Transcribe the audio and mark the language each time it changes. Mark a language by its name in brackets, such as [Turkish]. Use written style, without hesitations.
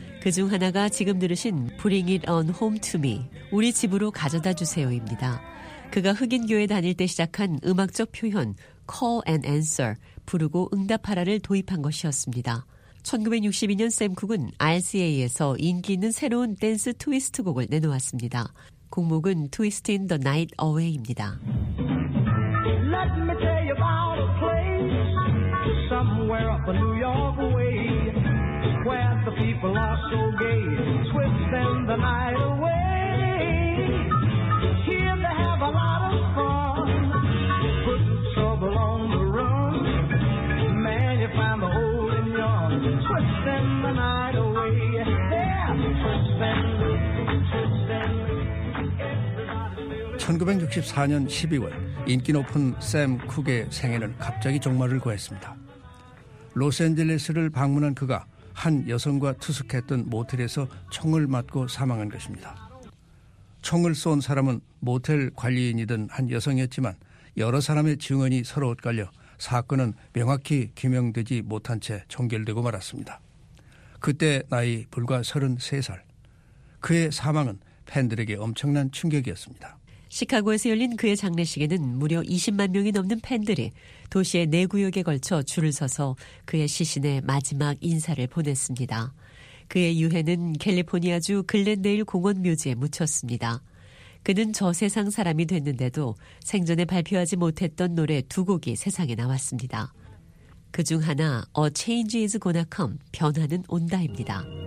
[Korean] 그중 하나가 지금 들으신 Bring It On Home To Me, 우리 집으로 가져다 주세요입니다. 그가 흑인 교회 다닐 때 시작한 음악적 표현 Call and Answer, 부르고 응답하라를 도입한 것이었습니다. 1962년 샘 쿡은 RCA에서 인기 있는 새로운 댄스 트위스트 곡을 내놓았습니다. 곡목은 [English] Twist in the Night Away입니다. Let me tell you about a place somewhere up in New York way where the people are so gay, twisting the night away. Here they have a lot of fun, put trouble on the run. Man, you find the old and young, twisting the night away. Yeah, twisting. [Korean] 1964년 12월 인기 높은 샘 쿡의 생애는 갑자기 종말을 구했습니다. 로스앤젤레스를 방문한 그가 한 여성과 투숙했던 모텔에서 총을 맞고 사망한 것입니다. 총을 쏜 사람은 모텔 관리인이던 한 여성이었지만 여러 사람의 증언이 서로 엇갈려 사건은 명확히 규명되지 못한 채 종결되고 말았습니다. 그때 나이 불과 33살. 그의 사망은 팬들에게 엄청난 충격이었습니다. 시카고에서 열린 그의 장례식에는 무려 20만 명이 넘는 팬들이 도시의 네 구역에 걸쳐 줄을 서서 그의 시신에 마지막 인사를 보냈습니다. 그의 유해는 캘리포니아주 글렌데일 공원 묘지에 묻혔습니다. 그는 저세상 사람이 됐는데도 생전에 발표하지 못했던 노래 두 곡이 세상에 나왔습니다. 그중 하나 A Change Is Gonna Come, 변화는 온다입니다.